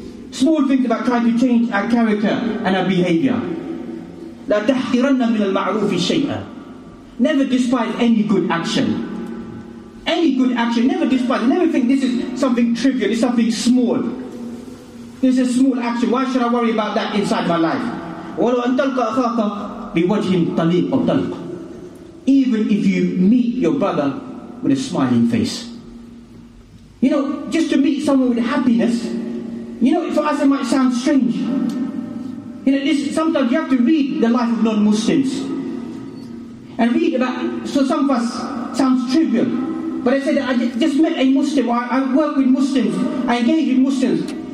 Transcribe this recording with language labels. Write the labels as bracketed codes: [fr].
[en] Small things about trying to change our character and our behavior. [ar] لَا تَحْتِرَنَّ مِنَ الْمَعْرُوفِ شَيْئًا. [en] Never despise any good action. Any good action, never despise. Never think this is something trivial, it's something small. This is a small action. Why should I worry about that inside my life? [ar] وَلَوْ أَن تَلْقَ أَخَاكَ بِوَجْهٍ طَلِيقٍ أَوْ طَلْقٍ. [en] Even if you meet your brother with a smiling face. You know, just to meet someone with happiness, you know, for us it might sound strange. You know, this, sometimes you have to read the life of non-Muslims and read about, so some of us sounds trivial, but I said that I just met a Muslim, or I work with Muslims, I engage with Muslims.